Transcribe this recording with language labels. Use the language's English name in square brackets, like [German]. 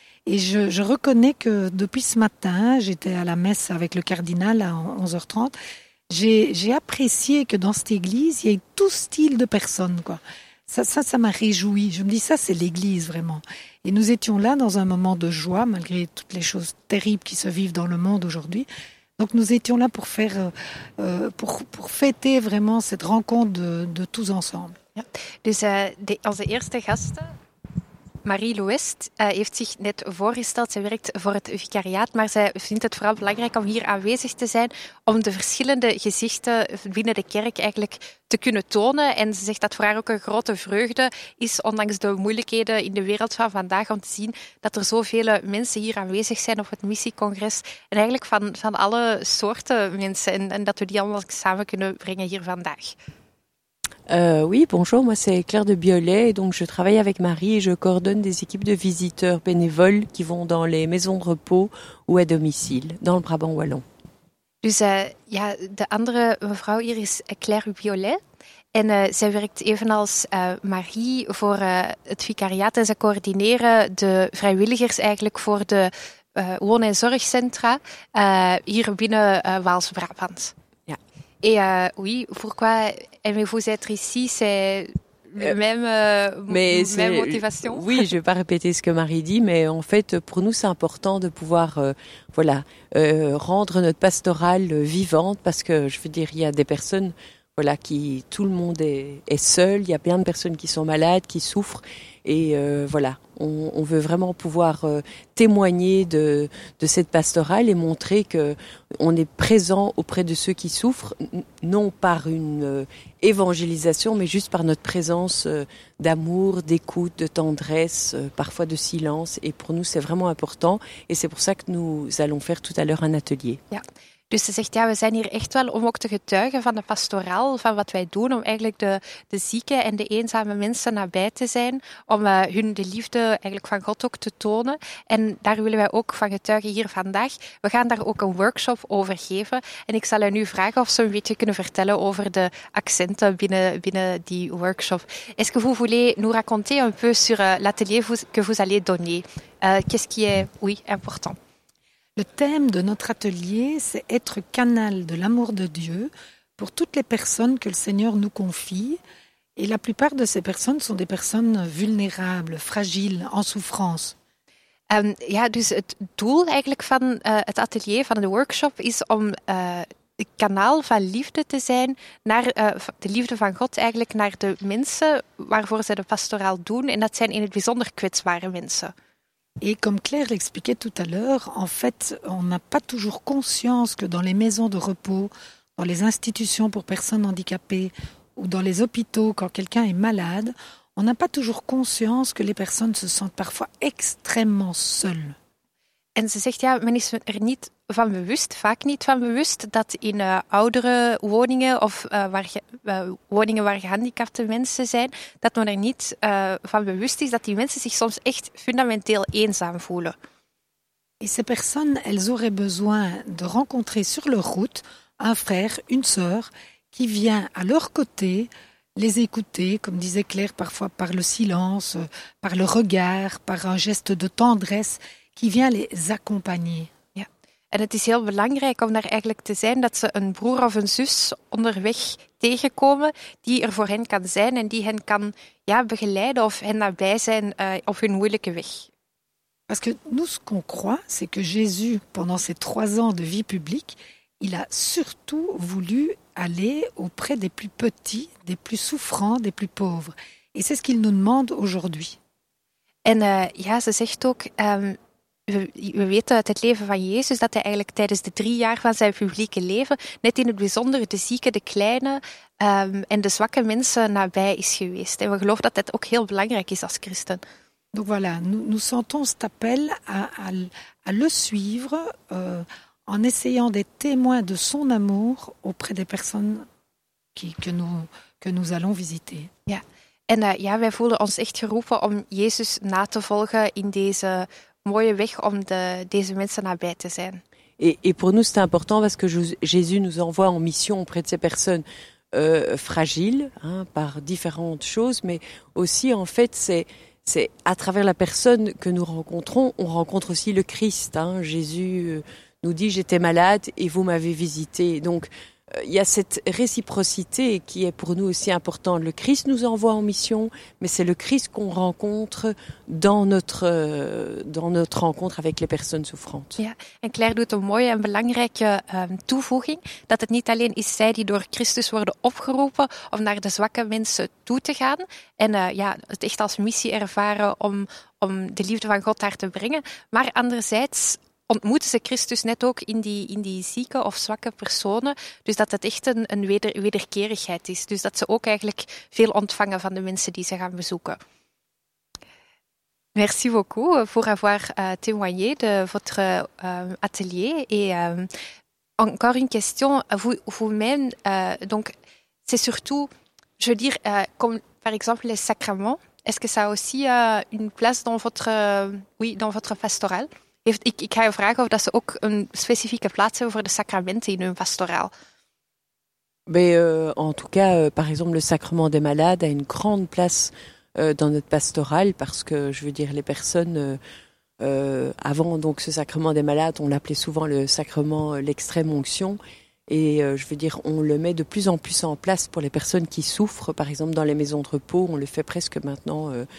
[French] Et je reconnais que depuis ce matin, j'étais à la messe avec le cardinal à 11h30, J'ai apprécié que dans cette église, il y ait tout style de personnes, quoi. Ça m'a réjoui. Je me dis, ça, c'est l'église, vraiment. Et nous étions là dans un moment de joie, malgré toutes les choses terribles qui se vivent dans le monde aujourd'hui. Donc, nous étions là pour faire, pour fêter vraiment cette rencontre de tous ensemble. [Dutch] Ja. Dus, onze eerste gasten. Marie Louest heeft zich net voorgesteld. Zij werkt voor het vicariaat, maar zij vindt het vooral belangrijk om hier aanwezig te zijn om de verschillende gezichten binnen de kerk eigenlijk te kunnen tonen. En ze zegt dat voor haar ook een grote vreugde is, ondanks de moeilijkheden in de wereld van vandaag, om te zien dat er zoveel mensen hier aanwezig zijn op het missiecongres. En eigenlijk van alle soorten mensen. En dat we die allemaal samen kunnen brengen hier vandaag. [French] Oui, bonjour, moi c'est Claire de Biolay, donc je travaille avec Marie et je coordonne des équipes de visiteurs bénévoles qui vont dans les maisons de repos ou à domicile, dans le Brabant Wallon. [Dutch] Dus ja, de andere mevrouw hier is Claire Biolay en zij werkt evenals Marie voor het vicariaat en ze coördineren de vrijwilligers eigenlijk voor de woon- en zorgcentra hier binnen Waals-Brabant. [French] Et oui, pourquoi aimez-vous être ici? C'est la même, même motivation. Oui, je ne vais pas répéter ce que Marie dit, mais en fait, pour nous, c'est important de pouvoir rendre notre pastorale vivante, parce que, je veux dire, il y a des personnes, tout le monde est seul, il y a plein de personnes qui sont malades, qui souffrent, et on veut vraiment pouvoir témoigner de cette pastorale et montrer qu'on est présent auprès de ceux qui souffrent, non par une évangélisation, mais juste par notre présence d'amour, d'écoute, de tendresse, parfois de silence. Et pour nous, c'est vraiment important. Et c'est pour ça que nous allons faire tout à l'heure un atelier. [Dutch] Ja. Dus ze zegt, ja, we zijn hier echt wel om ook te getuigen van de pastoraal, van wat wij doen, om eigenlijk de zieke en de eenzame mensen nabij te zijn, om hun de liefde eigenlijk van God ook te tonen. En daar willen wij ook van getuigen hier vandaag. We gaan daar ook een workshop over geven. En ik zal u nu vragen of ze een beetje kunnen vertellen over de accenten binnen die workshop. [French] Est-ce que vous voulez nous raconter un peu sur l'atelier que vous allez donner? Qu'est-ce qui est, oui, important? Le thème de notre atelier, c'est être canal de l'amour de Dieu pour toutes les personnes que le Seigneur nous confie. Et la plupart de ces personnes sont des personnes vulnérables, fragiles, en souffrance. [Dutch] Ja, dus het doel eigenlijk van het atelier, van de workshop, is om een kanaal van liefde te zijn naar de liefde van God eigenlijk naar de mensen waarvoor ze de pastoraal doen. En dat zijn in het bijzonder kwetsbare mensen. [French] Et comme Claire l'expliquait tout à l'heure, en fait, on n'a pas toujours conscience que dans les maisons de repos, dans les institutions pour personnes handicapées ou dans les hôpitaux quand quelqu'un est malade, on n'a pas toujours conscience que les personnes se sentent parfois extrêmement seules. [Dutch] En ze zegt, ja, men is er niet van bewust, vaak niet van bewust, dat in oudere woningen of woningen waar gehandicapte mensen zijn, dat men er niet van bewust is dat die mensen zich soms echt fundamenteel eenzaam voelen. [French] Et ces personnes, elles auraient besoin de rencontrer sur leur route un frère, une sœur, qui vient à leur côté les écouter, comme disait Claire, parfois par le silence, par le regard, par un geste de tendresse, qui vient les accompagner. [Dutch] Ja. En het is heel belangrijk om daar eigenlijk te zijn, dat ze een broer of een zus onderweg tegenkomen die er voor hen kan zijn en die hen kan begeleiden of hen nabij zijn op hun moeilijke weg. [French] Parce que nous, ce qu'on croit, c'est que Jésus, pendant ses 3 ans de vie publique, il a surtout voulu aller auprès des plus petits, des plus souffrants, des plus pauvres. Et c'est ce qu'il nous demande aujourd'hui. [Dutch] En ze zegt ook... We weten uit het leven van Jezus dat hij eigenlijk tijdens de 3 jaar van zijn publieke leven net in het bijzonder de zieke, de kleine en de zwakke mensen nabij is geweest. En we geloven dat dat ook heel belangrijk is als christen. [French] Donc voilà, nous sentons cet appel à le suivre en essayant d'être témoin de son amour auprès des personnes que nous allons visiter. [Dutch] Ja, en wij voelen ons echt geroepen om Jezus na te volgen in deze mooie weg om deze mensen nabij te zijn. [French] Et pour nous, c'est important parce que Jésus nous envoie en mission auprès de ces personnes fragiles, hein, par différentes choses, mais aussi, en fait, c'est à travers la personne que nous rencontrons, on rencontre aussi le Christ. Hein. Jésus nous dit, j'étais malade et vous m'avez visité. Donc, y a cette réciprocité qui est pour nous aussi importante. Le Christ nous envoie en mission, mais c'est le Christ qu'on rencontre dans notre rencontre avec les personnes souffrantes. [Dutch] Ja, en Claire doet een mooie en belangrijke toevoeging, dat het niet alleen is zij die door Christus worden opgeroepen om naar de zwakke mensen toe te gaan en het echt als missie ervaren om de liefde van God daar te brengen, maar anderzijds ontmoeten ze Christus net ook in die zieke of zwakke personen, dus dat het echt een wederkerigheid is. Dus dat ze ook eigenlijk veel ontvangen van de mensen die ze gaan bezoeken. [French] Merci beaucoup pour avoir témoigné de votre atelier. Et encore une question, vous-même, donc c'est surtout, je veux dire, comme par exemple les sacrements, est-ce que ça a aussi une place dans votre pastorale? [Dutch] Ik ga je vragen of dat ze ook een spécifieke plaats hebben voor de sacramenten in hun pastoraal. [French] En tout cas, par exemple, le sacrement des malades a une grande place dans notre pastoral, parce que, je veux dire, les personnes, avant donc ce sacrement des malades, on l'appelait souvent le sacrement l'extrême onction, et je veux dire, on le met de plus en plus en place pour les personnes qui souffrent, par exemple dans les maisons de repos, on le fait presque maintenant